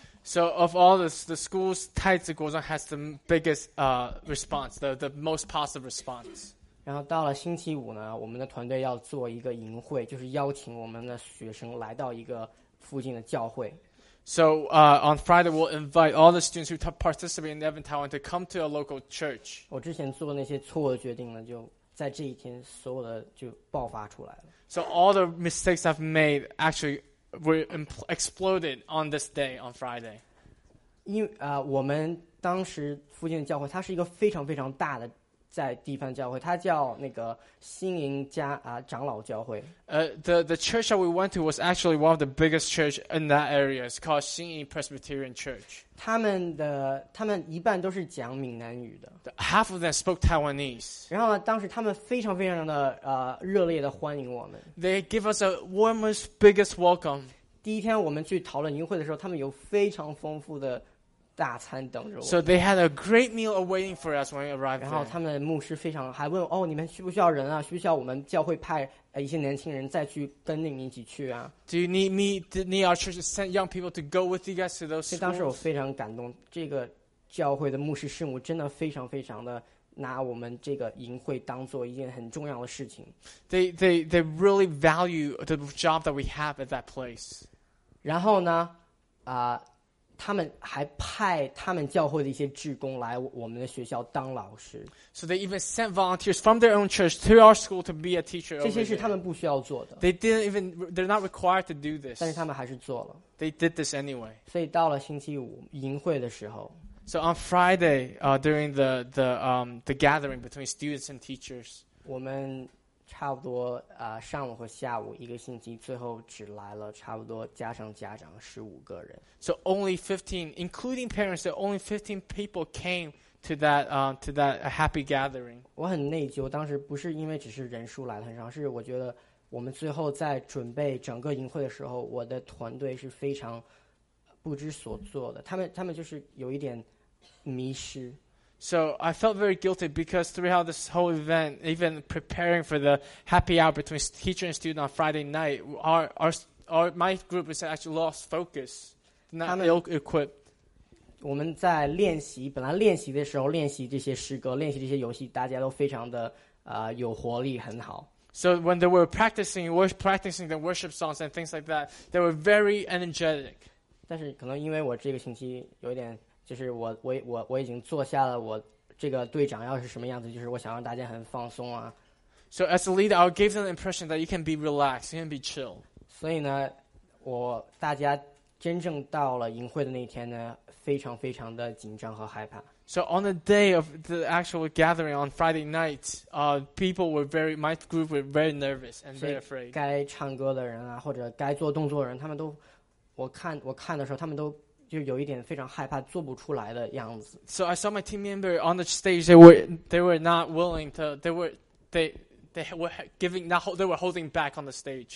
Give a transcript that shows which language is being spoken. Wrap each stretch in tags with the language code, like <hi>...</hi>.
<en>So of all the schools, 太子国中 has the biggest response, the most positive response.</en> <zh>然后到了星期五呢，我们的团队要做一个营会，就是邀请我们的学生来到一个附近的教会。</zh> <en>So on Friday, we'll invite all the students who participate in Eventown to come to a local church.</en> <zh>我之前做那些错误的决定呢，就在这一天，所有的就爆发出来了。</zh> <en>So all the mistakes I've made actually were exploded on this day on Friday.</en> <zh>因为我们当时附近的教会，它是一个非常非常大的。在地方教会，它叫那个新营家长老教会。</zh> <en>The church that we went to was actually one of the biggest church in that area. It's called 新营 Presbyterian Church.</en> <zh>他们一半都是讲闽南语的。</zh> <en>Half of them spoke Taiwanese.</en> <zh>然后当时他们非常非常的热烈的欢迎我们。</zh> <en>They give us a warmest, biggest welcome.</en> <zh>第一天我们去讨论营会的时候，他们有非常丰富的大餐等着我。</zh> <en>So they had a great meal awaiting for us when we arrived.</en> <zh>然后他们的牧师非常还问哦，你们需不需要人啊？需不需要我们教会派一些年轻人再去跟你们一起去啊</zh> <en>？Do you need me? Do you need our church to send young people to go with you guys to those schools?</en> <zh>所以当时我非常感动，这个教会的牧师事务真的非常非常的。拿我们这个营会当做一件很重要的事情。</zh> <en>They really value the job that we have at that place.</en> <zh>然后呢，他们还派他们教会的一些志工来我们的学校当老师。</zh> <en>So they even sent volunteers from their own church to our school to be a teacher.</en> <zh>这些是他们不需要做的。</zh> <en>They didn't even, they're not required to do this.</en> <zh>但是他们还是做了。</zh> <en>They did this anyway.</en> <zh>所以到了星期五营会的时候。</zh> <en>So on Friday, during the gathering between students and teachers,</en> <zh>我们差不多上午和下午一个星期，最后只来了差不多加上家长15个人。</zh> <en>So only 15, including parents, so only 15 people came to that happy gathering.</en> <zh>我很内疚，当时不是因为只是人数来的很少，是我觉得我们最后在准备整个营会的时候，我的团队是非常不知所措的。他们就是有一点。</zh> <en>So I felt very guilty because throughout this whole event, even preparing for the happy hour between teacher and student on Friday night, our my group is actually lost focus, not ill-equipped.</en> <zh>我们在练习，本来练习的时候，练习这些诗歌，练习这些游戏，大家都非常的有活力，很好。</zh> <en>So when they were practicing the worship songs and things like that, they were very energetic.</en> <zh>但是可能因为我这个星期有点。就是我已经做下了我这个队长要是什么样子，就是我想让大家很放松啊。</zh> <en>So as a leader, I'll give them the impression that you can be relaxed, you can be chill.</en> <zh>所以呢，我大家真正到了营会的那天呢，非常非常的紧张和害怕。</zh> <en>So on the day of the actual gathering on Friday night, people were very, my group were very nervous and very afraid.</en> <zh>该唱歌的人啊，或者该做动作的人，他们都，我看的时候，他们都。就有一点非常害怕做不出来的样子。</zh> <en>So I saw my team member on the stage. They were not willing to. They were holding back on the stage.</en>